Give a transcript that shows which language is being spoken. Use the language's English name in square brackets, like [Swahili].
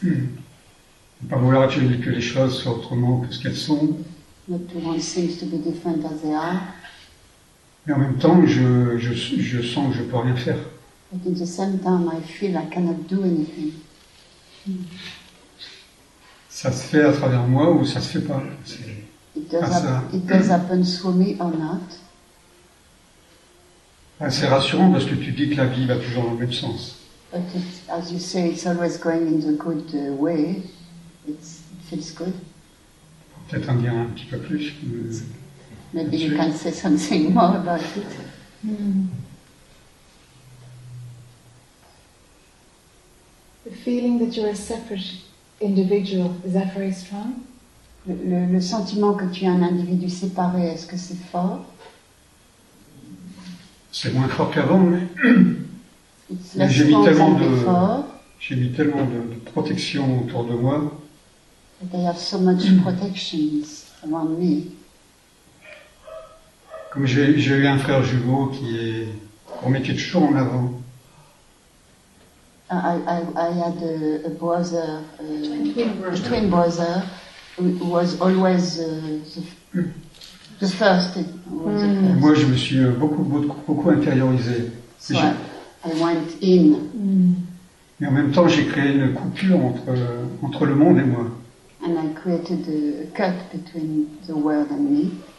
[French] ne pas vouloir que les choses soient autrement que ce qu'elles sont, [English] not to want things to be different as they are. [French] Mais en même temps, je sens que je ne peux rien faire. [English] But in the same time, I feel I cannot do anything. [French] Ça se fait à travers moi ou ça se fait pas? [English] It does happen through me or not? [French] C'est rassurant parce que tu dis que la vie va toujours dans le même sens. [English] But it, as you say, it's always going in the good way. It feels good. [French] Peut-être en dire un petit peu plus. [English] Maybe you can say something more about it. Mm. The feeling that you're a separate individual, is that very strong? [French] Le sentiment que tu es un individu séparé, est-ce que c'est fort? C'est moins fort qu'avant, mais j'ai mis tellement de protection autour de moi. [English] But I have so much protections around me. [French] Comme j'ai eu un frère jumeau qui est remettait toujours en avant. [English] I had a brother, a twin brother, who was always the first. [French] Mm. Moi, je me suis beaucoup intériorisé. [English] So I went in. [French] Mais en même temps, j'ai créé une coupure entre le monde et moi. [English] And I created a cut between the world and me.